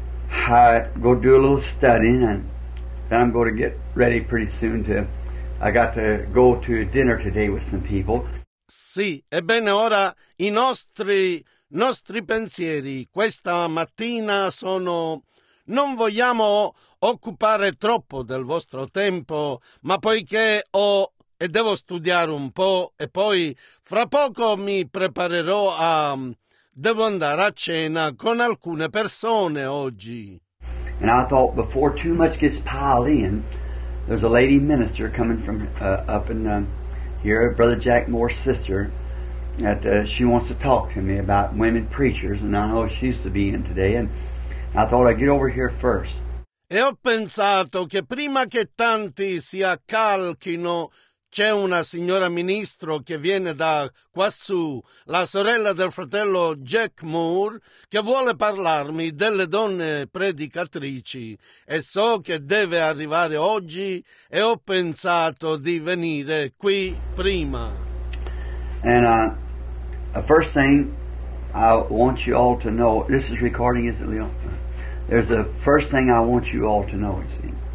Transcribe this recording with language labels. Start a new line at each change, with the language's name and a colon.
English: I go do a little studying, and then I'm going to get ready pretty soon to I got to go to dinner today with some people.
Italian: Sì, ebbene ora i nostri pensieri questa mattina sono: non vogliamo occupare troppo del vostro tempo, ma poiché ho e devo studiare un po', e poi fra poco mi preparerò a... devo andare a cena con alcune persone oggi.
English: And I thought, before too much gets piled in, there's a lady minister coming from up in here, Brother Jack Moore's sister, that she wants to talk to me about women preachers, and I know she's to be in today, and I thought I'd get over here first.
Italian: E ho pensato che prima che tanti si accalchino, c'è una signora ministro che viene da quassù, la sorella del fratello Jack Moore, che vuole parlarmi delle donne predicatrici. E so che deve arrivare oggi e ho pensato di venire qui prima.
English: And the first thing I want you all to know, this is recording, isn't it, Leo? There's a first thing I want you all to know, you see.